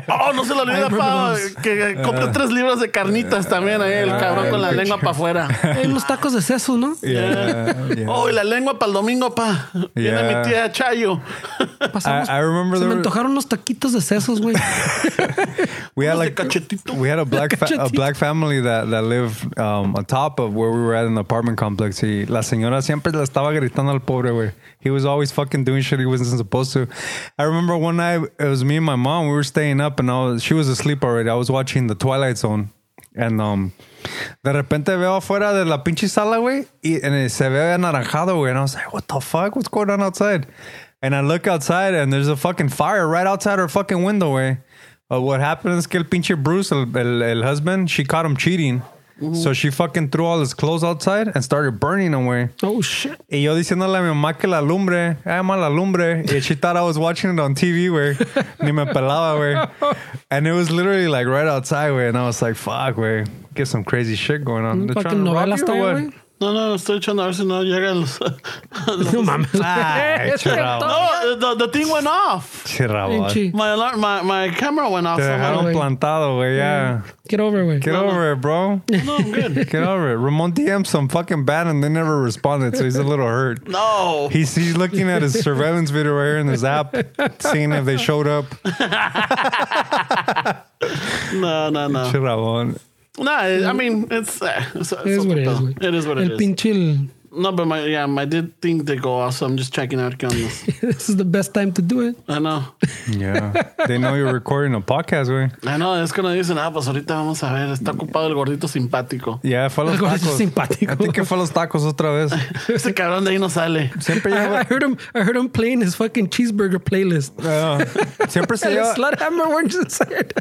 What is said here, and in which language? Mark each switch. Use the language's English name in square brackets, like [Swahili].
[Spanish] Oh, no se lo olvida, pa, que compré 3 libras de carnitas también ahí, el cabrón con la picture. Lengua para afuera. Hey, los tacos de seso, ¿no? [English] Yeah. [Spanish] Oh, y la lengua para el domingo, pa. Viene mi tía Chayo. [English] I remember [Spanish] se me antojaron los taquitos de sesos, güey. [English] We had like we had a black black family that lived on top of where we were at in the apartment complex. [Spanish] Y la señora siempre le estaba gritando al pobre, güey. [English] He was always fucking doing shit he wasn't supposed to. I remember one night it was me and my mom. We were staying up and she was asleep already. I was watching the Twilight Zone. And de repente veo afuera de la pinche sala, güey, and se ve anaranjado, güey. And I was like, what the fuck? What's going on outside? And I look outside and there's a fucking fire right outside her fucking window, güey. What happened is que el pinche Bruce, el husband, she caught him cheating. Mm-hmm. So she fucking threw all his clothes outside and started burning them, güey. Oh, shit. [Spanish] Y yo diciéndole a mi mamá que la lumbre, ama la lumbre. [English] And she thought I was watching it on TV, güey. Ni me pelaba, güey. And it was literally like right outside, güey. And I was like, fuck, güey. Get some crazy shit going on. They're trying to rob you, güey. [Spanish] No, no, estoy echando a ver si no llega No mames. [English] No, the thing went off. My alarm, my camera went off. [Spanish] Te dejaron plantado, güey, ya. [English] Get over it, güey. Get over it, bro. No, I'm good. Get over it. Ramon DM'd some fucking bad and they never responded, so he's a little hurt. No. He's looking at his surveillance video right here in his app, seeing if they showed up. No. Chirabón. No, I mean, it's what it is. It is what it [Spanish] el [English] is. [Spanish] El pinchil. [English] No, but I did think they go off, so I'm just checking out. This is the best time to do it. I know. Yeah. They know you're recording a podcast, güey. I know. [Spanish] Es que no dicen nada, pues ahorita vamos a ver. Está ocupado el gordito simpático. Yeah, fue a los tacos. El gordito simpático. I think it fue a los tacos otra vez. Ese cabrón de ahí no sale. Siempre lleva. [English] I heard him playing his fucking cheeseburger playlist. [Spanish] Siempre se lleva. [English] Sludhammer, weren't you saying?